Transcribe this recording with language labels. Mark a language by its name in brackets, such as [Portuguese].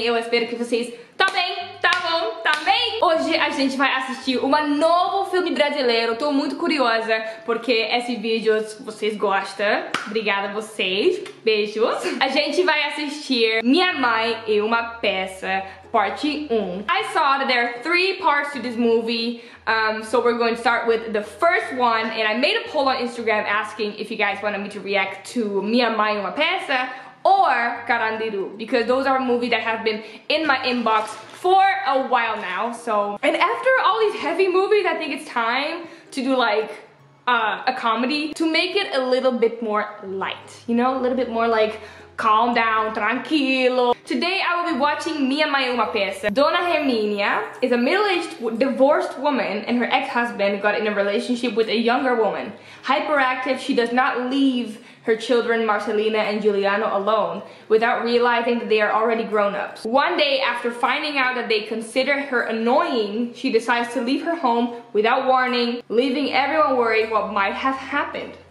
[Portuguese] Eu espero que vocês estão bem, tá bom, tá bem? Hoje a gente vai assistir um novo filme brasileiro. Tô muito curiosa porque esse vídeo vocês gostam. Obrigada a vocês. Beijos. A gente vai assistir Minha Mãe e Uma Peça, parte 1. [English] I saw that there are 3 parts to this movie. So we're going to start with the first one, and I made a poll on Instagram asking if you guys wanted me to react to Minha Mãe e Uma Peça or Carandiru, because those are movies that have been in my inbox for a while now. So, and after all these heavy movies, I think it's time to do like a comedy to make it a little bit more light, you know, a little bit more like calm down, tranquilo. Today I will be watching Minha Mãe e Uma Peça. Dona Herminia is a middle-aged divorced woman and her ex-husband got in a relationship with a younger woman. Hyperactive, she does not leave her children Marcelina and Giuliano alone without realizing that they are already grown-ups. One day, after finding out that they consider her annoying, she decides to leave her home without warning, leaving everyone worried what might have happened.